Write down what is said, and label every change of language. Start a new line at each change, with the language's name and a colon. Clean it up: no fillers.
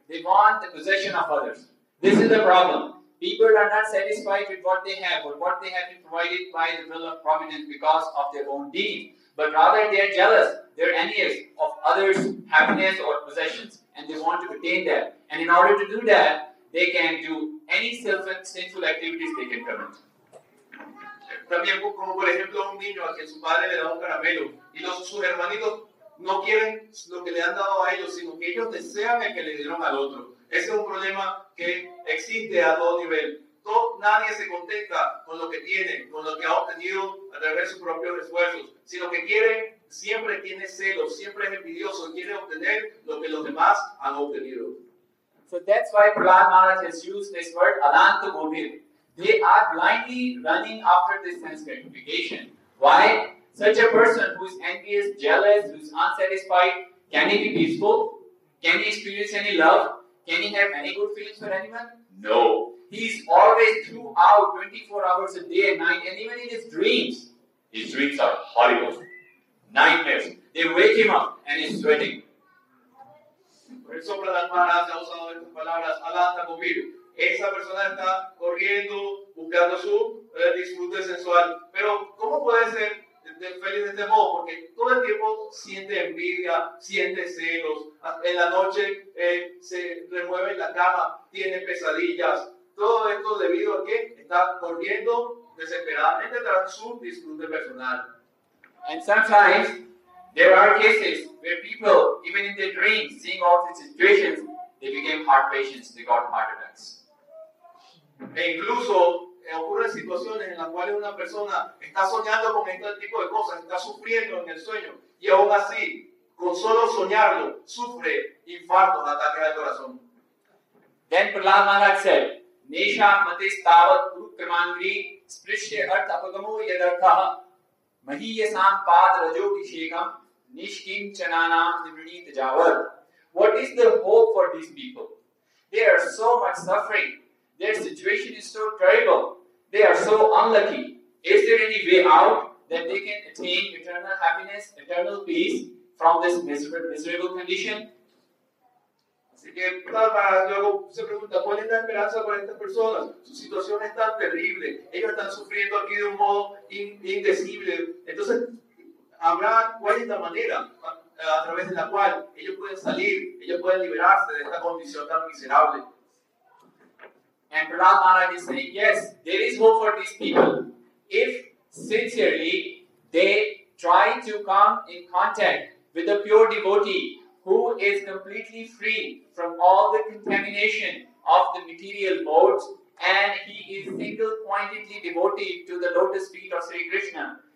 English: They want the possession of others. This is the problem. People are not satisfied with what they have or what they have been provided by the will of providence because of their own deed. But rather they're jealous, they're envious of others' happiness or possessions, and they want to attain that. And in order to do that, they can do any sinful activities they can commit.
Spanish: También como por ejemplo un niño a quien su padre le da un caramelo y sus hermanitos no quieren lo que le han dado a ellos, sino que ellos desean el que le dieron al otro. Ese es un problema que existe a todo nivel. Nadie se contenta con lo que tiene, con lo que ha obtenido a través de sus propios esfuerzos, sino que quiere, siempre tiene celos, siempre es envidioso, quiere obtener lo que los demás han obtenido.
English: So that's why Prahlad Maharaj has used this word Ananta Govind. They are blindly running after this sense gratification. Why? Such a person who is envious, jealous, who is unsatisfied, can he be peaceful? Can he experience any love? Can he have any good feelings for anyone? No. He is always throughout 24 hours a day and night, and even in his dreams are horrible. Nightmares. They wake him up and he's sweating.
Spanish: El sopla las manos, ha usado estas palabras, alanta conmigo. Esa persona está corriendo, buscando su disfrute sensual. Pero, ¿cómo puede ser feliz de este modo? Porque todo el tiempo siente envidia, siente celos. En la noche se remueve en la cama, tiene pesadillas. Todo esto debido a que está corriendo desesperadamente tras su disfrute personal.
English: And sometimes there are cases where people, even in their dreams, seeing all these situations, they became heart patients, they got heart attacks.
Spanish: E incluso ocurren situaciones en las cuales una persona está soñando con este tipo de cosas, está sufriendo en el sueño, y aún así, con solo soñarlo, sufre infartos, ataques al corazón.
English: Then Prahlad Maharaj said,
Sanskrit: Nesha Matis Tavat Purukramangri Sprishya Artha Pagamo Yadartha Mahiyasam Pad Rajogi Shekam Nishkim Chanana Nibrini Tajawar.
English: What is the hope for these people? They are so much suffering. Their situation is so terrible. They are so unlucky. Is there any way out that they can attain eternal happiness, eternal peace from this miserable condition?
Spanish: Así que luego se pregunta, ¿cuál es la esperanza para estas personas? Su situación es tan terrible. Ellos están sufriendo aquí de un modo indecible. Entonces, ¿habrá cuál es la manera a través de la cual ellos pueden salir, ellos pueden liberarse de esta condición tan miserable.
English: And Pranam Maharaj is saying, yes, there is hope for these people. If sincerely they try to come in contact with a pure devotee who is completely free from all the contamination of the material modes, and he is single-pointedly devoted to the lotus feet of Sri Krishna.